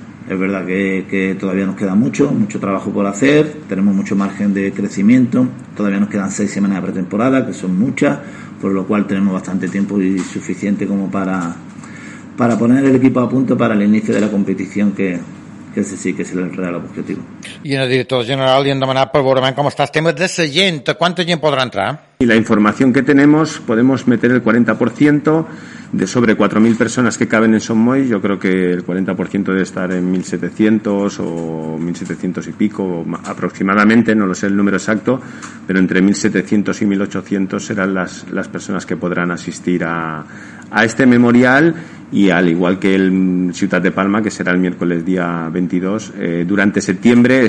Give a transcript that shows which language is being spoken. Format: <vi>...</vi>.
<es>Es verdad que todavía nos queda mucho trabajo por hacer, tenemos mucho margen de crecimiento, todavía nos quedan 6 semanas de pretemporada, que son muchas, por lo cual tenemos bastante tiempo y suficiente como para poner el equipo a punto para el inicio de la competición, que ese sí que es el real objetivo.</es> <ca>I en el director general li han demanat per veure com està el tema de la gent, quanta gent podrà entrar?</ca> <es>Y la información que tenemos, podemos meter el 40% de sobre 4.000 personas que caben en Somoy. Yo creo que el 40% debe estar en 1.700 o 1.700 y pico, aproximadamente, no lo sé el número exacto, pero entre 1.700 y 1.800 serán las personas que podrán asistir a este memorial, y al igual que el Ciutat de Palma, que será el miércoles día 22, durante septiembre.</es>